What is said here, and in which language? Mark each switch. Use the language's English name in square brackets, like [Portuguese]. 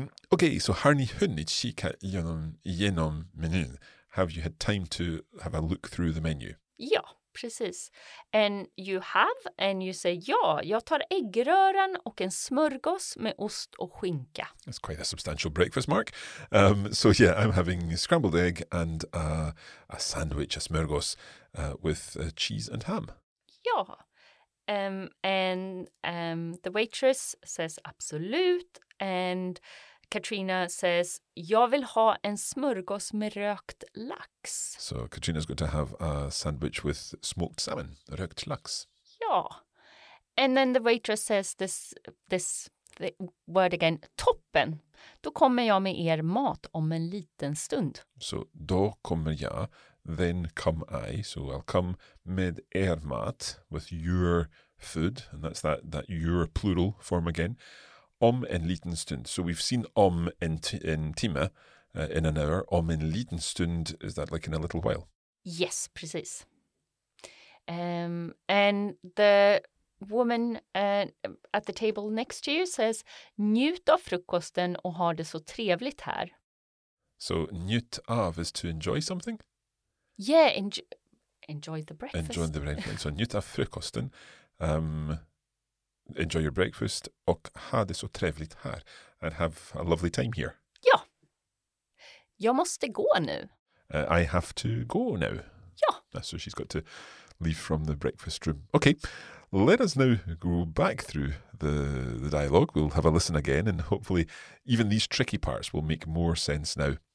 [English] Okay, so [Swedish] har ni hunnit kika genom menyn? [English] Have you had time to have a look through the menu? [Swedish] Ja, precis. [English] And you have, and you say [Swedish] ja, jag tar äggröran och en smörgås med ost och skinka. [English] That's quite a substantial breakfast, Mark. So yeah, I'm having scrambled egg and a sandwich, a smörgås. With cheese and ham. Yeah. And the waitress says, absolut. And Katrina says, [Swedish] jag vill ha en smörgås med rökt lax. [English] So Katrina's going to have a sandwich with smoked salmon, rökt lax. Yeah. And then the waitress says this word again, toppen. [Swedish] Då kommer jag med er mat om en liten stund. Så då kommer jag, [English] then come I, so I'll come [Swedish] med er mat, [English] with your food, and that's that your plural form again, [Swedish] om en liten stund. [English] So we've seen [Swedish] om en timme, [English] in an hour, [Swedish] om en liten stund, [English] is that like in a little while? Yes, precis. And the woman at the table next to you says, [Swedish] njut av frukosten och ha det så trevligt här. [English] So njut av is to enjoy something? Yeah, enjoy the breakfast. Enjoy the breakfast. So [Swedish] njut av frukosten, [English] enjoy your breakfast [Swedish] och ha det så trevligt här. [English] And have a lovely time here. [Swedish] Ja, jag måste gå nu. [English] I have to go now. [Swedish] Ja. [English] So she's got to leave from the breakfast room. Okay, let us now go back through the dialogue. We'll have a listen again and hopefully even these tricky parts will make more sense now.